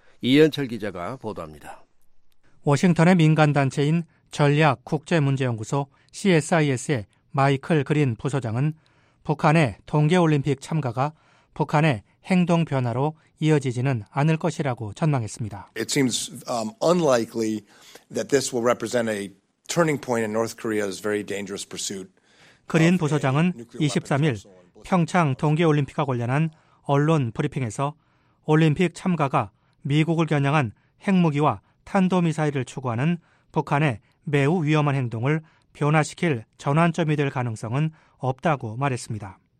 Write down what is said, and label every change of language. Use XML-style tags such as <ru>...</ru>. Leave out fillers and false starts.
<ko>이현철 기자가 보도합니다. 워싱턴의 민간단체인 전략국제문제연구소 CSIS의 마이클 그린 부소장은 북한의 동계올림픽 참가가 북한의 행동 변화로 이어지지는 않을 것이라고 전망했습니다.</ko> <en>It seems unlikely that this will represent a turning point in North Korea's very dangerous pursuit.</en> <ko>그린 부소장은 23일 평창 동계올림픽과 관련한 언론 브리핑에서 올림픽 참가가 미국을 겨냥한 핵무기와 탄도미사일을 추구하는 북한의 매우 위험한 행동을 변화시킬 전환점이 될 가능성은 없다고 말했습니다.</ko>